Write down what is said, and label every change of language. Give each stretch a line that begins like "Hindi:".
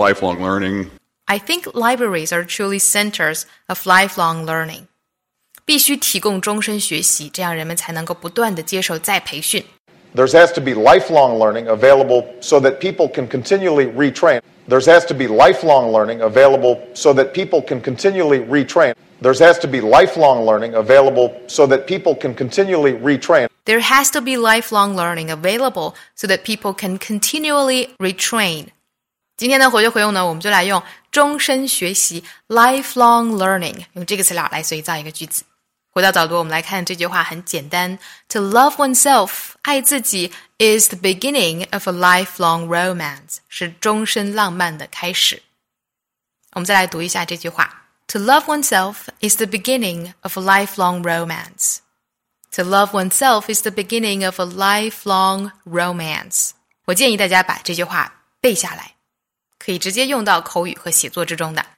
English: I think libraries are truly centers of lifelong learning.
Chinese: 必须提供终身学习这样人们才能够不断地接受再培训。
English: There has to be lifelong learning available so that people can continually retrain. There has to be lifelong learning available so that people can continually retrain. There has to be lifelong learning available so that people can continually retrain. There has to be lifelong learning available so that people can continually retrain.
Chinese: 今天的活学活用呢，我们就来用终身学习 lifelong learning 用这个词来随造一个句子。回到早读，我们来看这句话很简单。
English: To love oneself,
Chinese: 爱自己
English: is the beginning of a lifelong romance,
Chinese: 是终身浪漫的开始。我们再来读一下这句话。
English: To love oneself is the beginning of a lifelong romance. To love oneself is the beginning of a lifelong romance.
Chinese: 我建议大家把这句话背下来，可以直接用到口语和写作之中的。